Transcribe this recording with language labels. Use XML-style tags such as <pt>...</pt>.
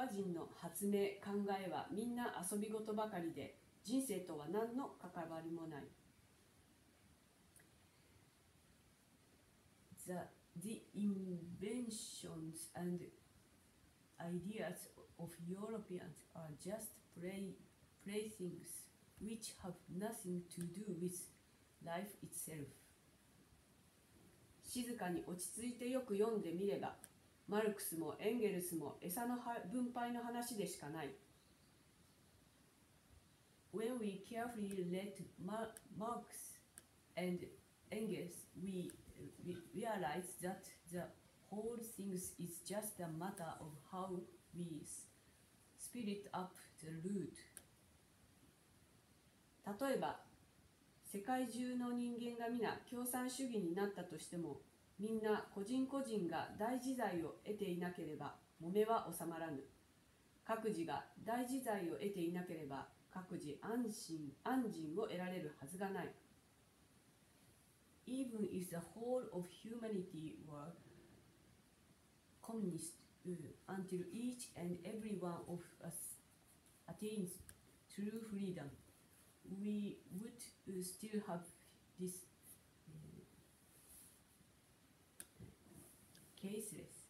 <ja>人の発明、考えはみんな遊び事ばかりで、人生とは何の関わりもない。</ja> <en>The inventions and ideas of Europeans are just playthings which have nothing to do with life itself.</en> <ja>静かに落ち着いてよく読んでみれば、マルクスもエンゲルスも餌の分配の話でしかない。</ja> <en>When we carefully read Marx and Engels, we realize that the whole thing is just a matter of how we split up the root.</en> <ja>例えば、世界中の人間が皆共産主義になったとしても、みんな個人個人が大自在を得ていなければ揉めは収まらぬ。各自が大自在を得ていなければ各自安心を得られるはずがない。</ja> <en>Even if the whole of humanity were communist, until each and every one of us attains true freedom, we would still have this caseless.</en>